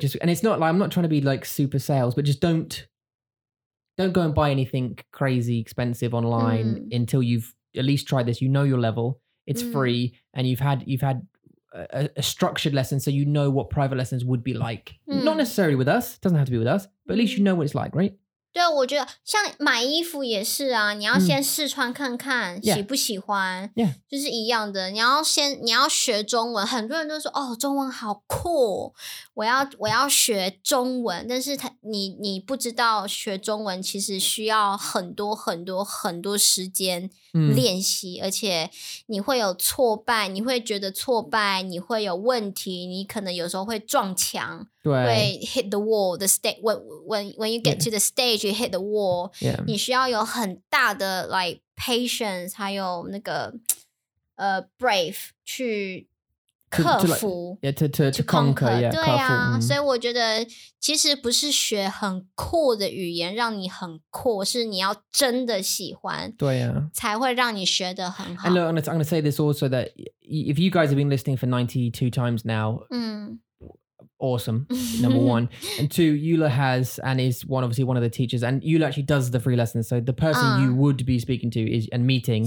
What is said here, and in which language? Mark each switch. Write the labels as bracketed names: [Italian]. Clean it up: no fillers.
[English] Just and it's not like I'm not trying to be like super sales, but just don't. Don't go and buy anything crazy expensive online until you've at least tried this. You know your level. It's free. And you've had a structured lesson. So you know what private lessons would be like. Not necessarily with us. Doesn't have to be with us. But at least you know what it's like, right? [Chinese] 对，我觉得像买衣服也是啊，你要先试穿看看喜不喜欢， [English] yeah. [Chinese] 就是一样的。你要学中文，很多人都说哦，中文好酷，我要学中文。但是你不知道学中文其实需要很多很多很多时间练习，而且你会有挫败，你会觉得挫败，你会有问题，你可能有时候会撞墙。对 [English] hit the wall, the stage, when you get to the stage, you hit the wall. Yeah. [Chinese] 你需要有很大的 [English] like patience, [Chinese] 还有那个brave 去克服 [English] to conquer, yeah, [Chinese] 对啊，所以我觉得其实不是学很酷的语言让你很酷，是你要真的喜欢，对啊，才会让你学得很好。 [English] And look, I'm going to say this also that if you guys have been listening for 92 times now, awesome, number one. And two, Yula has and is one obviously one of the teachers. And Yula actually does the free lessons. So the person you would be speaking to is and meeting